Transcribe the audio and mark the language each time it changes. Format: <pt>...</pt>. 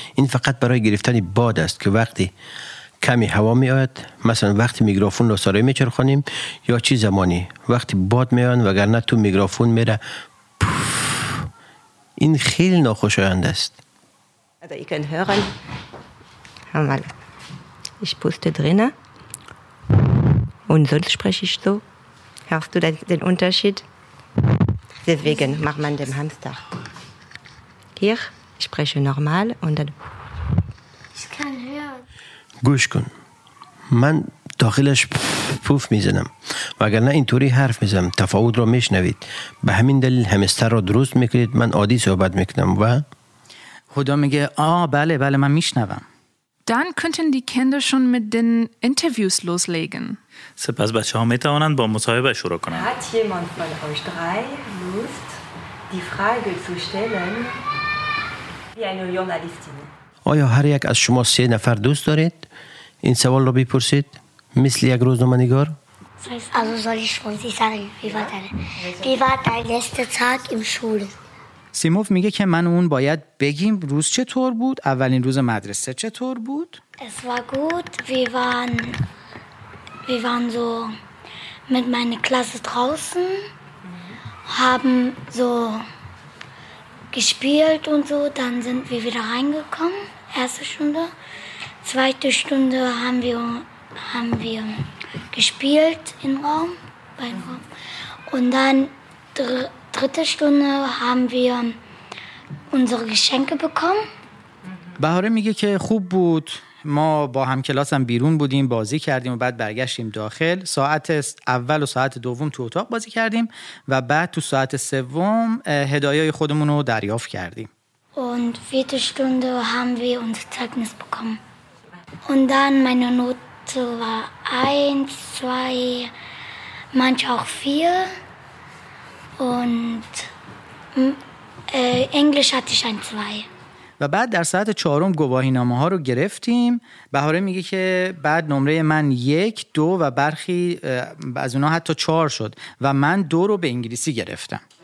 <fa>In faqat baraye giriftani bad ast ke vaqti کمی هوا می آید، مثلا وقتی میکروفون را سرای می چرخانیم یا چی زمانی، وقتی باد می آید وگرنه تو میکروفون می ره، این خیلی ناخوشایند است.</fa> <de>Also ich kann hören, einmal, ich puste drinne und sonst spreche ich so. Hörst du den Unterschied? Deswegen macht man den Hamster. Hier, ich spreche normal und dann... Ich kann hören.</de> <fa>گوش کن، من داخلش پوف میزنم وگرنه اینطوری حرف میزنم، تفاوت رو میشنوید. به همین دلیل همستر رو درست میکنید، من عادی صحبت میکنم و خدا میگه بله بله من میشنوم.</fa> <de>Dann könnten die Kinder schon mit den Interviews loslegen.</de> <fa>سپس بچه ها میتوانند با مصاحبه شروع کنند.</fa> <de>Hat jemand von euch drei Lust die Frage zu stellen wie eine Journalistin?</de> <fa>آیا هر یک از شما سه نفر دوست دارید؟ این سوال رو بپرسید مثل یک روزنامه نگار؟</fa> <de>Also soll ich von Sie sagen, wie war dein letzter Tag im Schule?</de> <fa>سیموف میگه که من اون باید بگیم روز چطور بود؟ اولین روز مدرسه چطور بود؟</fa> <de>Es war gut, wir waren so mit meiner Klasse draußen, haben so gespielt und so, dann sind wir wieder reingekommen, erste Stunde. Zweite Stunde haben wir gespielt im Raum, beim Raum. Und dann dritte Stunde haben wir unsere Geschenke bekommen.</de> <fa>Bahare میگه که خوب بود. ما با هم کلاس هم بیرون بودیم بازی کردیم و بعد برگشتیم داخل. ساعت اول و ساعت دوم تو اتاق بازی کردیم و بعد تو ساعت سوم هدایای خودمون رو دریافت کردیم.</fa> <de>Und vierte Stunde haben wir unser Zeugnis bekommen. Und dann meine Note war 1, 2, manchmal auch 4. Und انگلیش هاتی شن زوی.</de> <fa>و بعد در ساعت چهارم گواهی نامه ها رو گرفتیم. بهاره میگه که بعد نمره من 1، 2 و برخی از اونها حتی 4 شد و من 2 رو به انگلیسی گرفتم.</fa>